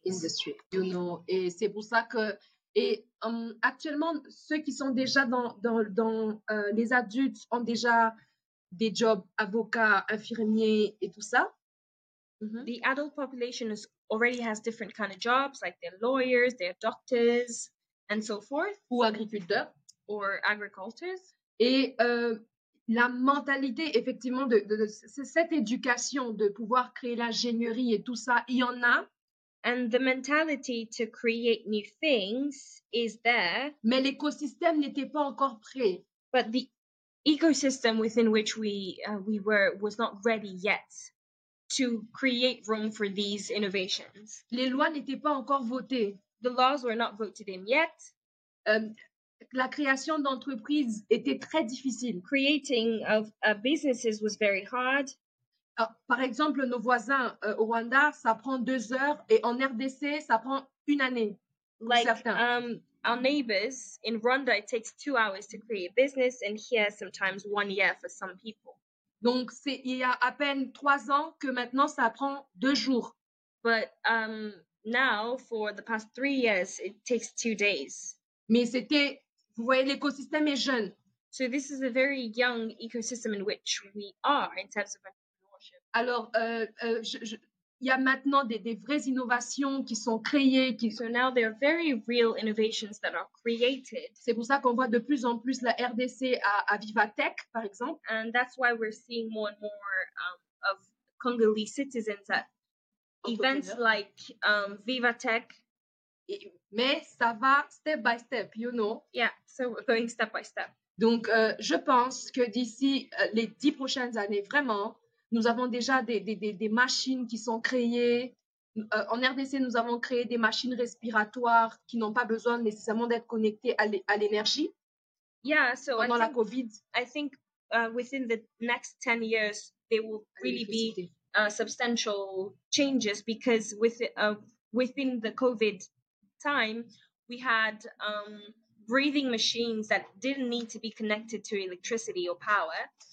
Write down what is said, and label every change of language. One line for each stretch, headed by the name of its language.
English: Industry, you know,
French: et c'est pour ça que et actuellement ceux qui sont déjà dans les adultes ont déjà des jobs avocats, infirmiers et tout ça. Mm-hmm.
English: The adult population already has different kind of jobs, like they're lawyers, they're doctors, and so forth.
French: Ou agriculteurs.
English: Or agriculteurs.
French: Et la mentalité, effectivement, de cette éducation de pouvoir créer l'ingénierie et tout ça, il y en a.
English: And the mentality to create new things is there.
French: Mais l'écosystème n'était pas encore prêt.
English: But the ecosystem within which we were was not ready yet to create room for these innovations.
French: Les lois n'étaient pas encore votées.
English: The laws were not voted in yet.
French: La création d'entreprises était très difficile.
English: Creating of businesses was very hard.
French: Par exemple, nos voisins au Rwanda, ça prend 2 heures et en RDC, ça prend une année.
English: Like, our neighbors in Rwanda, it takes 2 hours to create a business, and here sometimes 1 year for some people.
French: Donc, c'est il y a à peine 3 ans que maintenant ça prend 2 jours.
English: But now, for the past 3 years, it takes 2 days.
French: Mais c'était, vous voyez, l'écosystème est jeune.
English: So this is a very young ecosystem in which we are in terms of entrepreneurship.
French: Alors, il y a maintenant des vraies innovations qui sont créées.
English: So now there are very real innovations that are created.
French: C'est pour ça qu'on voit de plus en plus la RDC à Vivatech, par exemple.
English: And that's why we're seeing more and more of Congolese citizens at events like Vivatech.
French: Mais ça va
English: step by step, you know. Yeah, so we're going step by step.
French: Donc, je pense que d'ici les 10 prochaines années, vraiment, nous avons déjà des machines qui sont créées. En RDC, nous avons créé des machines respiratoires qui n'ont pas besoin nécessairement d'être connectées à l'énergie.
English: Yeah, so
French: pendant la COVID.
English: I think within the next 10 years, there will really be substantial changes because within the COVID time, we had breathing machines that didn't need to be connected to electricity or power.